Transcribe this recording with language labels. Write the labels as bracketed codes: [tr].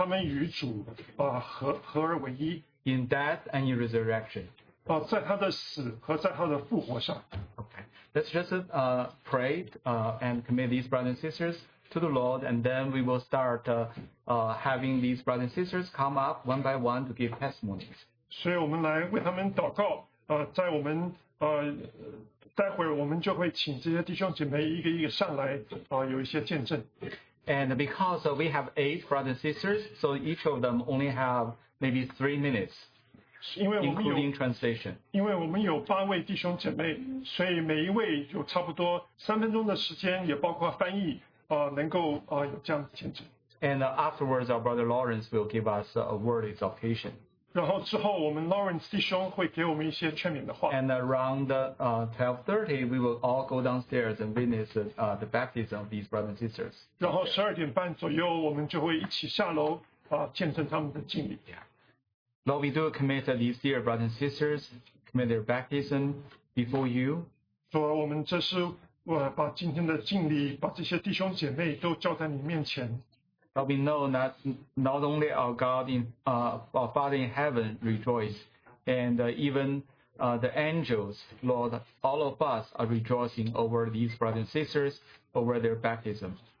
[zh] 就是我这些弟兄姐妹他们与主合而为一 [en] in death and in resurrection. [zh] 在他的死和在他的复活上 [en] okay. Let's just pray and commit these brothers and sisters to the Lord, and then we will start having these brothers and sisters come up one by one to give testimonies. [zh] 所以我们来为他们祷告 在我们 待会儿我们就会请这些弟兄姐妹一个一个上来 有一些见证 [en] And because we have 8 brothers and sisters, so each of them only have maybe 3 minutes, including translation. [zh] 因为我们有8位弟兄姐妹, 所以每一位有差不多3分钟的时间也包括翻译, 能够, 有这样的见证。 [en] And afterwards, our brother Lawrence will give us a word of exhortation. [zh] 然后之后我们 Lawrence弟兄会给我们一些劝勉的话。 [en] And around 12:30, we will all go downstairs and witness the baptism of these brothers and sisters. [zh] 然后12点半左右我们就会一起下楼, [en] Lord, we do commit these dear brothers and sisters, commit their baptism before you. [zh] 主啊,我们这是把今天的敬礼,把这些弟兄姐妹都交在你面前。 [en] But we know that not only our God in our Father in heaven rejoice, and even the angels, Lord, all of us are rejoicing over these brothers and sisters, over their baptism.